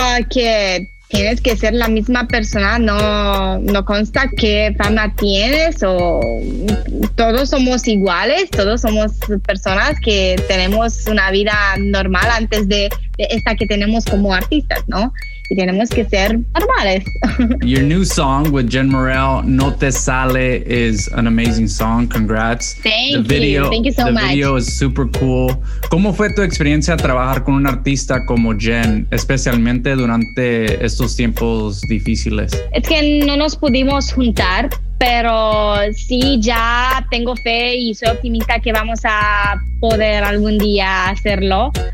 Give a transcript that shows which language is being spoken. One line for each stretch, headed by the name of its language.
Spanish: Que tienes que ser la misma persona, no consta qué fama tienes o todos somos iguales, todos somos personas que tenemos una vida normal antes de esta que tenemos como artistas, ¿no? Y tenemos que ser normales.
English: Your new song with Jen Morel, No Te Sale, is an amazing song. Congrats. Thank you so much. The video is super cool.
Spanish: ¿Cómo fue tu experiencia trabajar con un artista como Jen, especialmente durante estos tiempos difíciles? Es que no nos pudimos juntar, pero sí, ya tengo fe y soy optimista que vamos a poder algún día hacerlo.